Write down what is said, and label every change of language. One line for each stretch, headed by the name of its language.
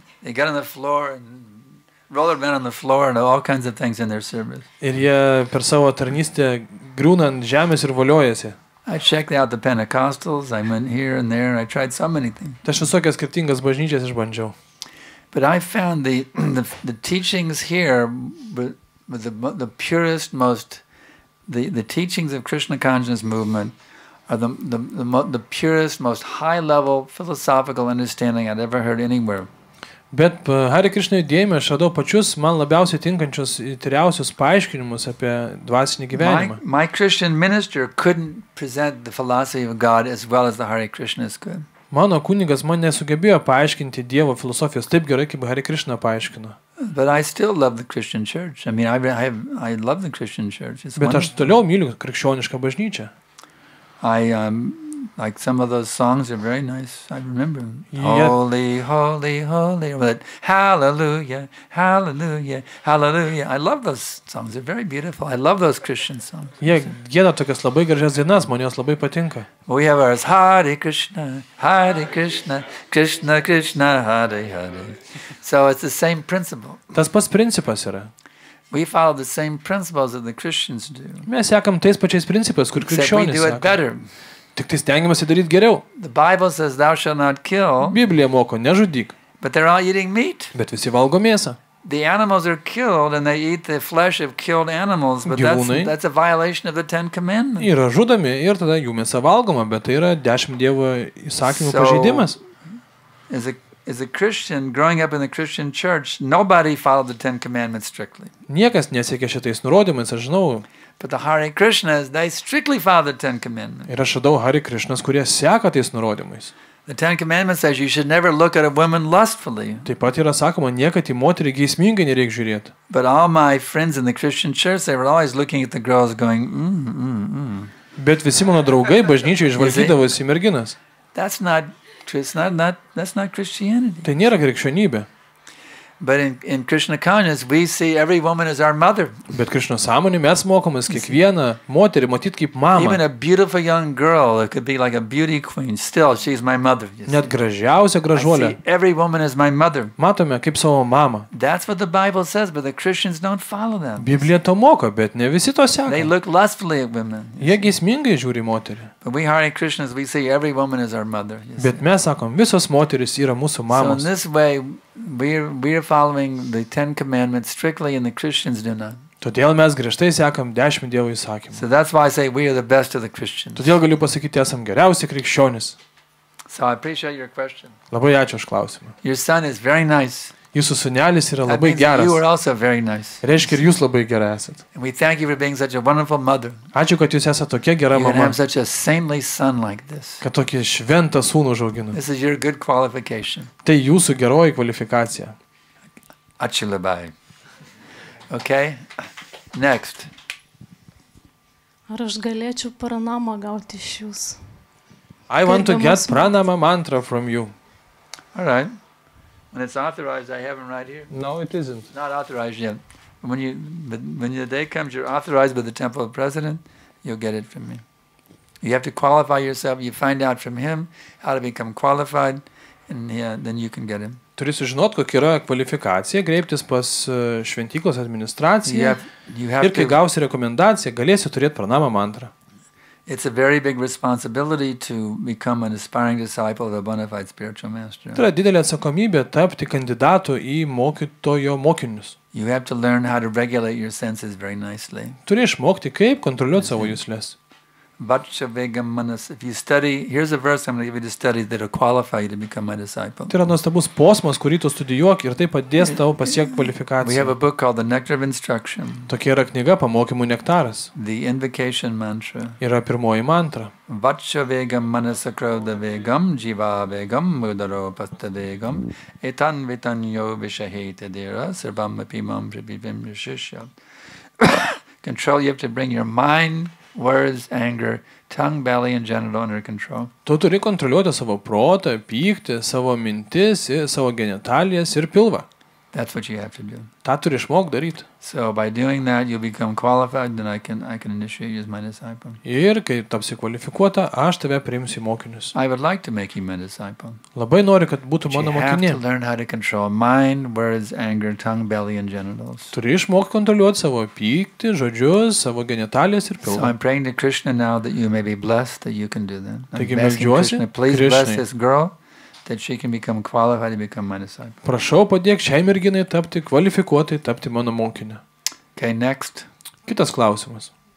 English: They get on the floor and roller men on the floor and all kinds of things in their service.
Lithuanian: Ir jie per savo tarnystę grūna ant žemės ir voliojasi.
English: I checked out the Pentecostals, I went here and there and I tried so many things.
Lithuanian: Tai aš visokias skirtingas bažnyčias išbandžiau.
English: But I found the teachings here with the purest most the teachings of Krishna consciousness movement are the purest most high level philosophical understanding I'd ever heard anywhere.
Lithuanian: Bet Hare Krishna judėjime aš radau pačius man labiausiai tinkančius ir tyriausius paaiškinimus apie dvasinį gyvenimą.
English: My Christian minister couldn't present the philosophy of God as well as the Hare Krishnas could.
Lithuanian: Mano kunigas man nesugebėjo paaiškinti Dievo filosofijos taip gerai, kaip Hare Krishna paaiškino.
English: But I still love the Christian church. I mean, I love the Christian church. It's
Lithuanian: Bet aš toliau myliu krikščionišką bažnyčią.
English: Like some of those songs are very nice. I remember them. Yep. Holy, holy, holy. But hallelujah, hallelujah, hallelujah. I love those songs. They're very beautiful. I love those Christian songs.
Lithuanian: Jie gėda tokias labai gražias dienas. Man jos labai patinka.
English: We have ours. Hare Krishna, Hare Krishna, Krishna, Krishna, Hare Hare. So it's the same principle.
Lithuanian: Tas pats principas yra.
English: We follow the same principles that the Christians do.
Lithuanian: Mes sekam tais pačiais principais, kur krikščionys
English: seka. We do it better.
Lithuanian: Tik tai stengiamasi daryti geriau.
English: The Bible says thou shall not kill.
Lithuanian: Biblija moko nežudyk.
English: But they're all eating meat.
Lithuanian: Bet visi valgo mėsą.
English: The animals are killed and they eat the flesh of killed animals, but that's a violation of the Ten Commandments.
Lithuanian: Yra žudomi ir tada jų mėsa valgoma, bet tai yra 10 Dievo įsakymų pažeidimas.
English: As a Christian growing up in the Christian church, nobody followed the Ten Commandments strictly.
Lithuanian: Niekas nesiekė šitais nurodymais, aš žinau.
English: But the Hare Krishnas, they strictly follow the Ten Commandments.
Lithuanian: Ir aš radau Hare Krishnas, kurie seka tais nurodymais.
English: The Ten Commandments says you should never look at a woman lustfully.
Lithuanian: Taip pat yra sakoma, niekad į moterį geismingai nereik žiūrėti.
English: But all my friends in the Christian church, they were always looking at the girls going,
Lithuanian: Bet visi mano draugai bažnyčioje žvalgydavosi merginas.
English: That's not Christianity.
Lithuanian: Tai nėra krikščionybė.
English: But in Krishna consciousness we see every woman as our mother.
Lithuanian: Bet Krishna sąmonė mes mokomės kiekvieną moterį matyti kaip mamą.
English: Even a beautiful young girl it could be like a beauty queen still she's my mother.
Lithuanian: Net gražiausia gražuolė.
English: I see every woman as my mother.
Lithuanian: Matome kaip savo mamą.
English: That's what the Bible says but the Christians don't follow them.
Lithuanian: Biblija to moko, bet ne visi to seka.
English: They look lustfully at women.
Lithuanian: Jie geismingai žiūri moterį.
English: But we Hare Krishnas we see every woman as our mother.
Lithuanian: Bet mes sakom visos moterys yra mūsų mamos.
English: So in this way we are following the Ten Commandments strictly and the Christians do not.
Lithuanian: Todėl mes griežtai sekam 10 Dievo įsakymų.
English: So that's why I say we are the best of the Christians.
Lithuanian: Todėl galiu pasakyti, esam geriausi krikščionys.
English: So I appreciate your question.
Lithuanian: Labai ačiū už klausimą.
English: Your son is very nice.
Lithuanian: Jūsų sūnelis yra labai
English: that means
Lithuanian: geras.
English: You are also very nice.
Lithuanian: Reiškia, ir jūs labai gerai esat.
English: And we thank you for being such a wonderful mother.
Lithuanian: Ačiū, kad jūs esat tokia gera
English: you
Lithuanian: mama.
English: You have such a saintly son like this.
Lithuanian: Kad tokį šventą sūnų užauginot.
English: This is your good qualification.
Lithuanian: Tai jūsų geroji kvalifikacija. Ačiū labai.
English: Okay. Next.
Lithuanian: Ar aš galėčiau pranamą gauti iš jūsų?
English: I want to get pranama mantra from you. All right. When it's authorized, I have them right here. No, it isn't. Not authorized yet. When the day comes, you're authorized by the temple president, you'll get it from me. You have to qualify yourself. You find out from him how to become qualified, and then you can get him.
Lithuanian: Turi sužinot, kokia yra kvalifikacija, greiptis pas šventyklos administraciją ir kai gausi rekomendaciją, galėsi turėti pranamą mantrą.
English: It's a very big responsibility to become an aspiring disciple of a bona fide spiritual master.
Lithuanian: Tai yra didelė atsakomybė tapti kandidatu į mokytojo mokinius.
English: You have to learn how to regulate your senses very nicely.
Lithuanian: Turi išmokti, kaip kontroliuoti savo jusles.
English: If you study, here's a verse I'm going to give you to study that will qualify you to become my disciple.
Lithuanian: Tai yra nuostabus posmas, kurį tu studijuok ir tai padės tau pasiekti kvalifikaciją.
English: We have a book called The Nectar of Instruction.
Lithuanian: Tokia yra knyga Pamokymų nektaras.
English: The Invocation Mantra.
Lithuanian: Yra pirmoji mantra.
Sanskrit: Vatsa vegam manasa krauda vegam jiva vegam mudaro pasta vegam etan vitan yo vishahete dira sirvam apimam pribivim rishishya.
English: Control, you have to bring your mind, words, anger, tongue, belly and genital under control.
Lithuanian: Tu turi kontroliuoti savo protą, pyktį, savo mintis, savo genitalijas ir pilvą.
English: That's what you have to do.
Lithuanian: Tą turi išmokti daryti.
English: So by doing that you become qualified, then I can initiate you as my disciple.
Lithuanian: Ir kai tapsi kvalifikuota, aš tave priimsiu į mokinius.
English: I would like to make you my disciple.
Lithuanian: Labai noriu, kad būtų mano mokinė.
English: You have to learn how to control mind, words, anger, tongue, belly and genitals.
Lithuanian: Turi išmokti kontroliuoti savo pyktį, žodžius, savo genitalijas ir pilvą.
English: So I'm praying to Krishna now that you may be blessed that you can do that.
Lithuanian: Taigi meldžiuosi Krishna,
English: please bless this girl. That she can become qualified to become my disciple.
Lithuanian: Prašau padėk šiai merginai tapti kvalifikuotai, tapti mano mokinė.
English: Okay, next.
Lithuanian: Kitas klausimas.